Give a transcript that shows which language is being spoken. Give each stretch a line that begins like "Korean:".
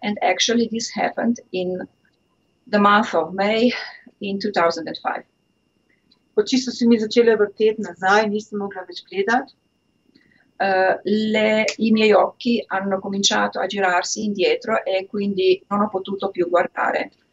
English: And actually this happened in the month of May in 2005.
Slovenian: Oči so se mi začele vrteti nazaj, nisem mogla več gledati.
Italian: I miei occhi hanno cominciato a girarsi indietro e quindi non ho potuto più guardare.